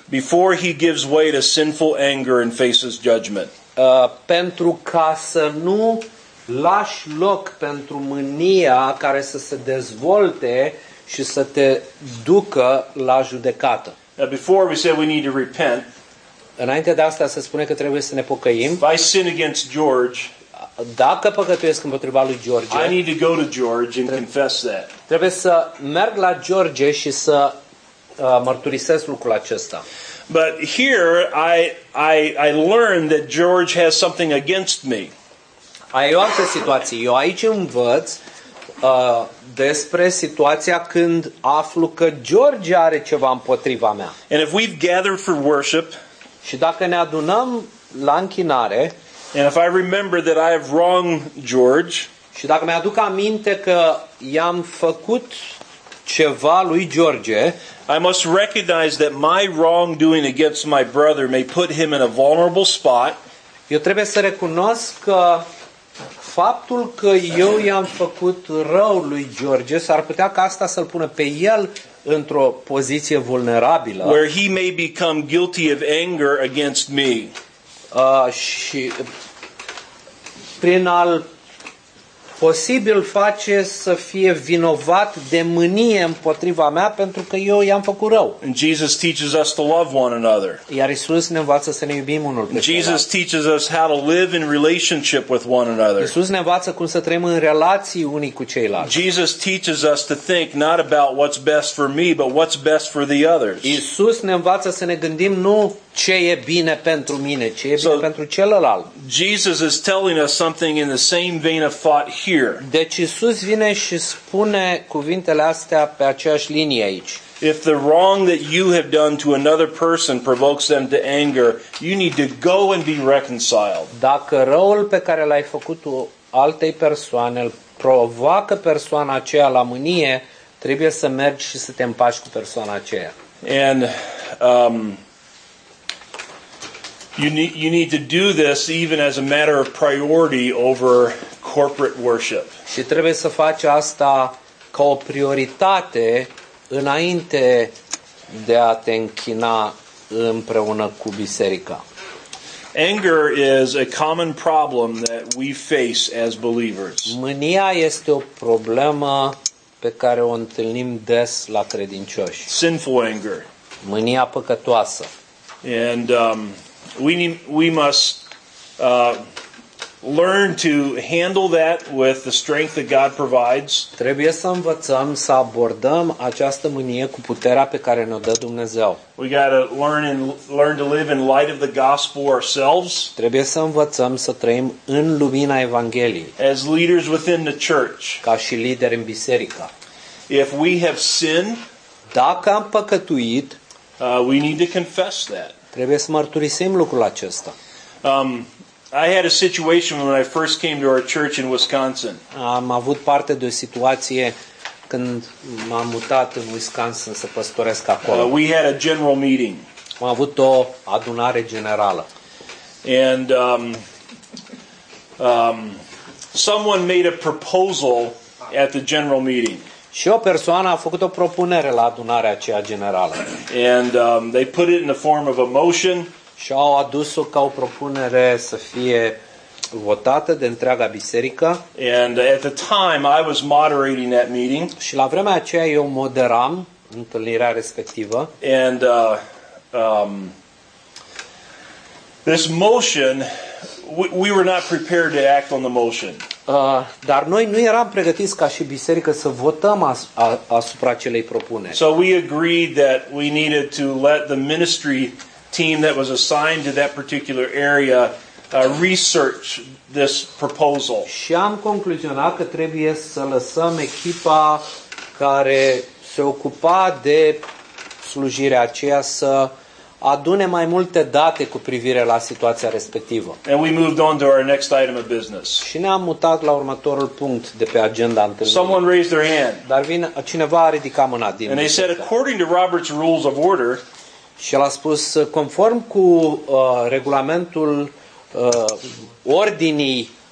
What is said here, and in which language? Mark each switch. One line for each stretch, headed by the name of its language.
English: Before he gives way to sinful anger and faces judgment.
Romanian: Pentru ca să nu lași loc pentru mânia care să se dezvolte și să te ducă la judecată.
English: Now, before we say we need to repent.
Romanian: Înainte de asta se spune că trebuie să ne pocăim.
English: If I sin against George,
Romanian: dacă păcătuiesc împotriva lui George,
English: I need to go to George and confess that.
Romanian: Trebuie să merg la George și să mărturisesc lucrul acesta.
English: But here I learn that George has something against me.
Romanian: Ai o altă situație. Eu aici învăț despre situația când aflu că George are ceva împotriva mea.
English: And if we've gathered for worship,
Romanian: și dacă ne adunăm la închinare,
English: and if I remember that I have wronged George,
Romanian: și dacă mi-aduc aminte că i-am făcut ceva lui George,
English: I must recognize that my wrongdoing against my brother may put him in a vulnerable spot.
Romanian: Eu trebuie să recunosc că faptul că eu i-am făcut rău lui George s-ar putea ca asta să-l pună pe el într-o poziție vulnerabilă.
English: Where he may become guilty of anger against me.
Romanian: Și prin al posibil face să fie vinovat de mânie împotriva mea pentru că eu i-am făcut rău.
English: And Jesus teaches us to love one another.
Romanian: Iar Iisus ne învață să ne iubim unul pe celălalt.
English: Jesus teaches us how to live in relationship with one another.
Romanian: Iisus ne învață cum să trăim în relații unii cu ceilalți.
English: Jesus teaches us to think not about what's best for me, but what's best for the others.
Romanian: Iisus ne învață să ne gândim nu ce e bine pentru mine, ce e bine pentru celălalt.
English: Jesus is telling us something in the same vein of thought here.
Romanian: Deci Iisus vine și spune cuvintele astea pe aceeași linie aici.
English: If the wrong that you have done to another person provokes them to anger, you need to go and be reconciled.
Romanian: Dacă răul pe care l-ai făcut tu altei persoane îl provoacă persoana aceea la mânie, trebuie să mergi și să te împaci cu persoana aceea.
English: And You need to do this even as a matter of priority over corporate worship.
Romanian: Și trebuie să faci asta ca o prioritate înainte de a te închina împreună cu biserica.
English: Anger is a common problem that we face as believers.
Romanian: Mânia este o problemă pe care o întâlnim des la credincioși.
English: Sinful anger.
Romanian: Mânia păcătoasă.
English: And We must learn to handle that with the strength that God provides.
Romanian: Trebuie să învățăm să abordăm această mânie cu puterea pe care ne-o dă Dumnezeu.
English: We got to learn to live in light of the gospel ourselves.
Romanian: Trebuie să învățăm să trăim în lumina Evangheliei.
English: As leaders within the church.
Romanian: Ca și lideri în biserică.
English: If we have sinned,
Romanian: dacă am păcătuit,
English: we need to confess that.
Romanian: Trebuie să mărturisim lucrul acesta.
English: I had a situation when I first came to our church in Wisconsin.
Romanian: Am avut parte de o situație când m-am mutat în Wisconsin să păstoresc acolo.
English: We had a general meeting.
Romanian: Am avut o adunare generală.
English: And someone made a proposal at the general meeting.
Romanian: Și o persoană a făcut o propunere la adunarea aceea generală.
English: And they put it in the form of a motion.
Romanian: Și au adus-o ca o propunere să fie votată de întreaga biserică.
English: And at the time I was moderating that meeting.
Romanian: Și la vremea aceea eu moderam întâlnirea respectivă.
English: And this motion, we were not prepared to act on the motion.
Romanian: Dar noi nu eram pregătiți ca și biserică să votăm asupra acelei propuneri.
English: So we agreed that we needed to let the ministry team that was assigned to that particular area research this proposal.
Romanian: Și am concluzionat că trebuie să lăsăm echipa care se ocupa de slujirea aceea să adune mai multe date cu privire la situația respectivă.
English: And we moved on to our next item of business.
Romanian: Și ne-am mutat la următorul punct de pe agenda întâlnirii.
English: Someone raised their hand.
Romanian: Dar cineva a ridicat mâna din.
English: And they said according to Robert's rules of order.
Romanian: Și el a spus conform cu regulamentul ordinii